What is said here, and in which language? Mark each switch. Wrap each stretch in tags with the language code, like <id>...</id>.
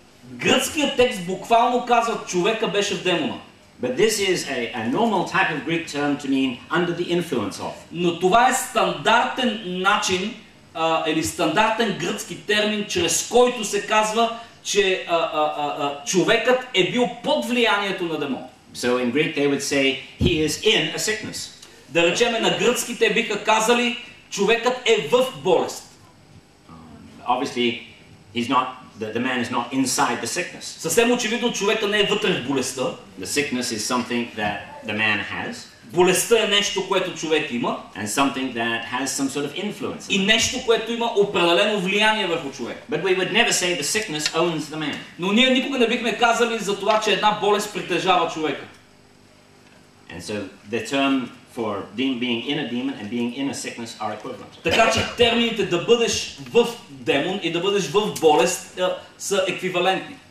<bg>Гръцкият текст буквално казва, човека беше в демона.</bg> <en>But this is a normal type of Greek term to mean under the influence of.</en> <bg>Но това е стандартен начин, или стандартен гръцки термин, чрез който се казва, че човекът е бил под влиянието на демон.</bg> <en>So in Greek they would say he is in a sickness.</en> <bg>Да речем, на гръцки те биха казали, човекът е в болест.</bg> <en>Obviously he's not, the man is not inside the sickness.</en> <bg>Съвсем очевидно, човека не е вътре в болестта.</bg> <en>The sickness is something that the man has.</en> <bg>Болестта е нещо, което човек има.</bg> <en>And something that has some sort of influence.</en> <bg>И нещо, което има определено влияние върху човек.</bg> <en>But we would never say the sickness owns the man.</en> <bg>Но ние никога не бихме казали за това, че една болест притежава човека.</bg> <en>And so the term for being in a demon and being in a sickness are equivalent.</en> <bg>Така че термините да бъдеш в демон и да бъдеш в болест са еквивалентни.</bg>